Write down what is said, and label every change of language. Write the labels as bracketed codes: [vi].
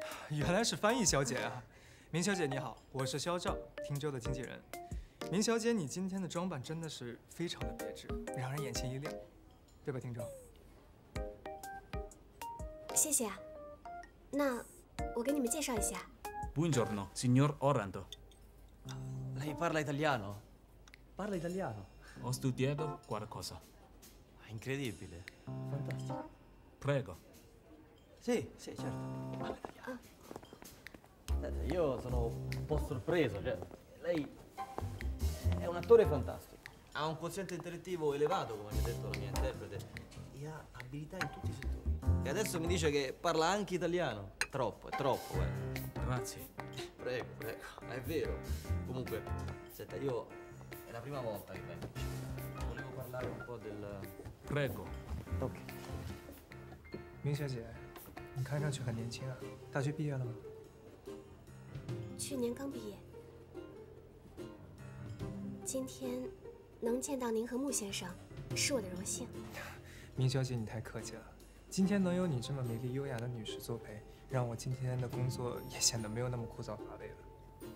[zh] 原来是翻译小姐啊，明小姐你好，我是肖照，汀州的经纪人。明小姐，你今天的装扮真的是非常的别致，让人眼前一亮，对吧，汀州？谢谢啊，那我给你们介绍一下。 [it] Buongiorno, signor Orlando. Lei parla italiano? Parla italiano. Ho studiato qualcosa. Incredibile, fantastico. Prego. Sì, sì, certo. Io sono un po' sorpreso, cioè, lei è un attore fantastico, ha un quoziente intellettivo elevato, come mi ha detto la mia interprete, e ha abilità in tutti i settori. E adesso mi dice che parla anche italiano. Troppo, è troppo, eh. Grazie. Prego, prego, è vero. Comunque, senta, io è la prima volta che vengo in città, volevo parlare un po' del... Prego. Ok. [zh] Ming 小姐，你看上去很年轻啊，大学毕业了吗？去年刚毕业，今天能见到您和穆先生是我的荣幸。明小姐，你太客气了，今天能有你这么美丽优雅的女士作陪，让我今天的工作也显得没有那么枯燥乏味了。